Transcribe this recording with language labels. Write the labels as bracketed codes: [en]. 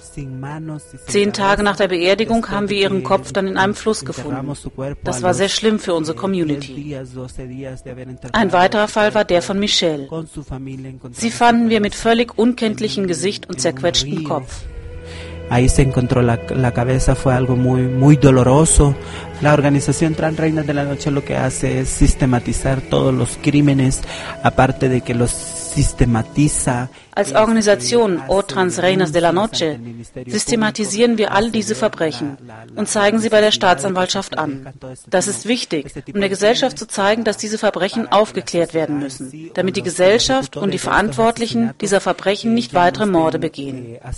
[de] 10 Tage nach der Beerdigung haben wir ihren Kopf dann in einem Fluss gefunden. Das war sehr schlimm für unsere Community. Ein weiterer Fall war der von Michelle. Sie fanden wir mit völlig unkenntlichem Gesicht und zerquetschtem Kopf. [es] Ahí se encontró la cabeza, fue algo muy, muy doloroso. La organización Trans Reinas de la Noche lo que hace es sistematizar todos los crímenes, aparte de que los sistematiza. [de] Als Organisation O Trans Reinas de la Noche systematisieren wir all diese Verbrechen und zeigen sie bei der Staatsanwaltschaft an. Das ist wichtig, um der Gesellschaft zu zeigen, dass diese Verbrechen aufgeklärt werden müssen, damit die Gesellschaft und die Verantwortlichen dieser Verbrechen nicht weitere Morde begehen.